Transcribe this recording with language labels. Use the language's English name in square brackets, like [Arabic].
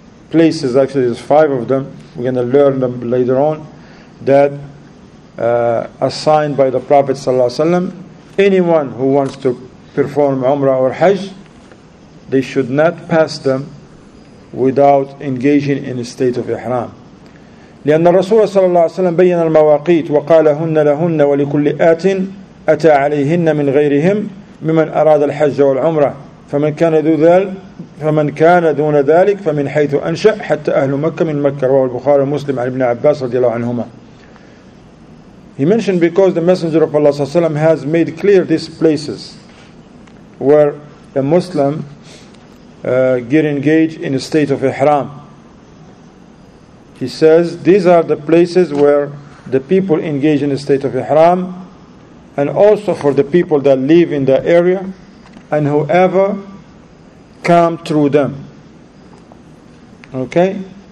[English] Places, actually, there's five of them. We're going to learn them later on. That assigned by the Prophet ﷺ, anyone who wants to perform Umrah or Hajj, they should not pass them without engaging in a state of ihram. [Arabic] لأن الرسول صلى الله عليه وسلم بين المواقيت وقال هن لهن ولكل آت أتى عليهن من غيرهم ممن أراد الحج والعمرة فمن كان ذو ذلك فمن كان دون ذلك فمن حيث أنشأ حتى أهل مكة من مكة رواه البخاري ومسلم عن ابن عباس رضي الله عنهما. [English] He mentioned because the Messenger of Allah ﷺ has made clear these places where a Muslim get engaged in a state of ihram. He says these are the places where the people engage in a state of ihram, and also for the people that live in the area and whoever come through them. Okay?